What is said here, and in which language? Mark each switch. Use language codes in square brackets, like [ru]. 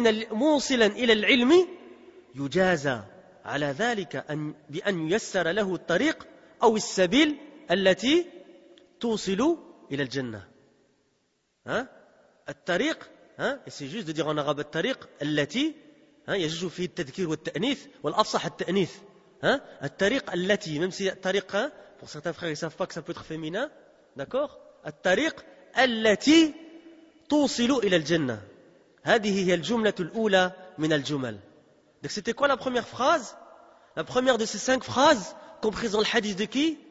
[ar] موصلا إلى العلم يجازى على ذلك بأن ييسر له الطريق أو السبيل التي توصل إلى الجنة. الطريق, [fr] et c'est juste de dire en arabe [ar] الطريق التي, يجوز فيه التذكير والتأنيث والأفصح التأنيث. [fr] الطريق التي, même si الطريق, pour certains frères ils savent pas que ça peut être féminin, d'accord, [ar] الطريق التي توصل إلى الجنة. هذه هي الجملة الأولى من الجمل. [fr] Donc c'était quoi la première phrase? La première de ces 5 phrases comprises dans le hadith de qui?